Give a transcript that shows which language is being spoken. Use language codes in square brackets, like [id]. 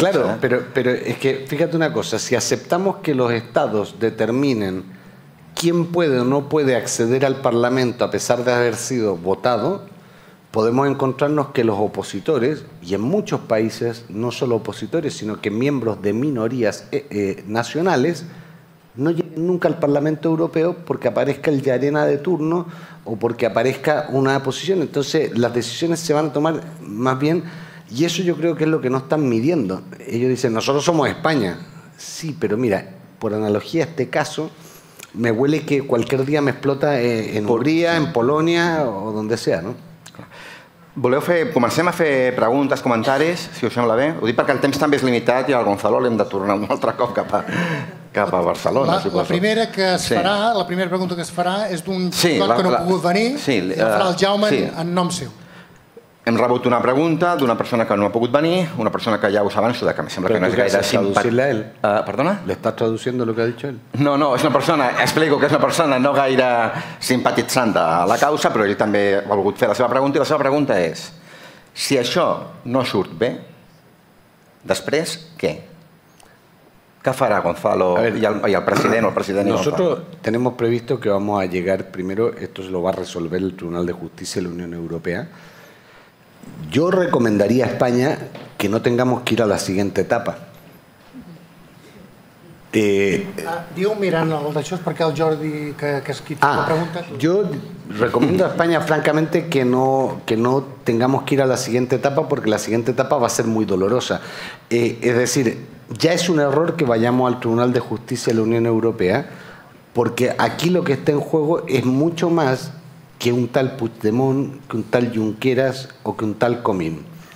[es] Claro, pero es que fíjate una cosa, si aceptamos que los estados determinen quién puede o no puede acceder al Parlamento a pesar de haber sido votado, podemos encontrarnos que los opositores, y en muchos países no solo opositores, sino que miembros de minorías nacionales, no lleguen nunca al Parlamento Europeo porque aparezca el Llarena de turno o porque aparezca una posición. Entonces las decisiones se van a tomar más bien, y eso yo creo que es lo que no están midiendo. Ellos dicen, nosotros somos España. Sí, pero mira, por analogía a este caso, me huele que cualquier día me explota en Hungría, en Polonia o donde sea, ¿no? [ca] Voleu fer, comencem a fer preguntes, comentaris, si us sembla bé. Ho dic perquè el temps també és limitat i al Gonzalo l'hem de tornar un altre cop cap a Barcelona. La primera pregunta que es farà és d'un que no ha pogut venir, sí, i la farà el Jaume en nom seu. Hem rebut una pregunta d'una persona que no ha pogut venir, una persona que ja us avanço, que em sembla però que no és gaire simpàtica. Perdona? [es] Le estàs traduciendo lo que ha dicho él? [ca] No, és una persona, explico que és una persona no gaire simpatitzant de la causa, però ell també ha volgut fer la seva pregunta, i la seva pregunta és, si això no surt bé, després què? [es] ¿Qué hará Gonzalo y al presidente o el presidente? Nosotros tenemos previsto que vamos a llegar primero, esto lo va a resolver el Tribunal de Justicia de la Unión Europea. Yo recomendaría a España que no tengamos que ir a la siguiente etapa. [ca] Diu mirant el d'això, és perquè el Jordi que es quita la pregunta. [es] Yo recomiendo a España francamente que no tengamos que ir a la siguiente etapa, porque la siguiente etapa va a ser muy dolorosa. Es decir, ya es un error que vayamos al Tribunal de Justicia de la Unión Europea, porque aquí lo que está en juego es mucho más que un tal Puigdemont, que un tal Junqueras o que un tal Comín.